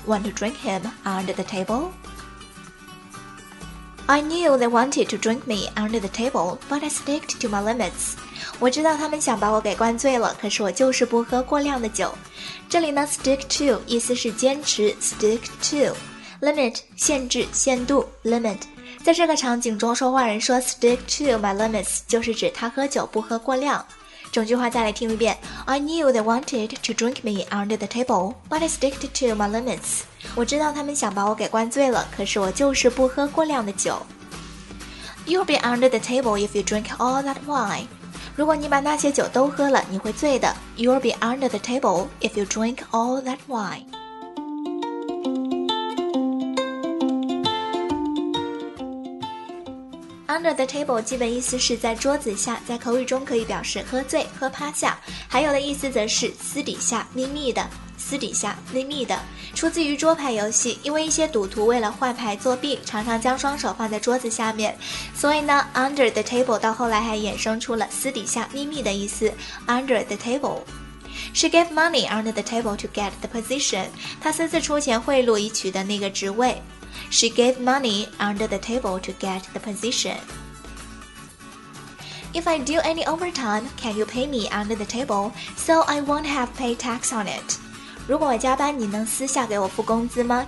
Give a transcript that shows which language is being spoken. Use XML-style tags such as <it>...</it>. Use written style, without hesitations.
<en>Want to drink him under the table? I knew they wanted to drink me under the table, but I sticked to my limits.</en> <zh>我知道他们想把我给灌醉了，可是我就是不喝过量的酒。这里呢 stick to 意思是坚持，</zh> <en>stick to limit</en> <zh>限制限度 limit。在这个场景中说话人说</zh> <en>stick to my limits</en> <zh>就是指他喝酒不喝过量。整句话再来听一遍，</zh> <en>I knew they wanted to drink me under the table, but I sticked to my limits。</en> <zh>我知道他们想把我给灌醉了，可是我就是不喝过量的酒。</zh> <en>You'll be under the table if you drink all that wine。</en> <zh>如果你把那些酒都喝了，你会醉的。</zh> <en>You'll be under the table if you drink all that wine. Under the table</en> <zh>基本意思是在桌子下，在口语中可以表示喝醉、喝趴下，还有的意思则是私底下、秘密的。私底下、秘密的，出自于桌牌游戏。因为一些赌徒为了换牌作弊，常常将双手放在桌子下面，所以呢</zh> <en>under the table</en> <zh>到后来还衍生出了私底下、秘密的意思。</zh> <en>Under the table, she gave money under the table to get the position.</en> <zh>她私自出钱贿赂以取得那个职位。</zh> <en>She gave money under the table to get the position. If I do any overtime, can you pay me under the table so I won't have pay tax on it?</en> <zh>如果我加班，你能私下给我付工资吗？</zh>